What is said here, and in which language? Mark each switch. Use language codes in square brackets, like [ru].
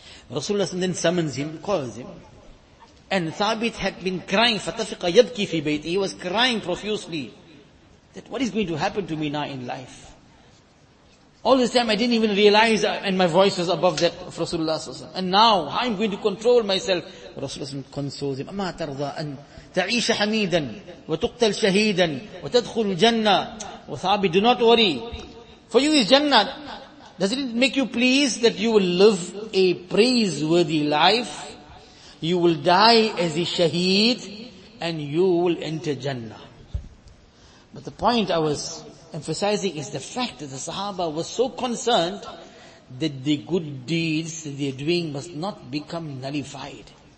[en] Rasulullah then summons him, calls him. And Thabit had been crying, [ar] fatafiqa yabki fi bayti. [en] He was crying profusely, that what is going to happen to me now in life? All this time I didn't even realize, and my voice was above that of Rasulullah sallallahu alaihi wasallam. And now, how am I going to control myself? Rasulullah consoles him. [ar] أَمَا تَرْضَىٰ أَن تَعِيشَ حَمِيدًا وَتُقْتَلْ شَهِيدًا وَتَدْخُلْ الْجَنَّةِ وَثَابِ [en] Do not worry. For you is Jannah. Doesn't it make you pleased that you will live a praiseworthy life? You will die as a shaheed and you will enter Jannah. But the point I was emphasizing is the fact that the Sahaba was so concerned that the good deeds that they are doing must not become nullified.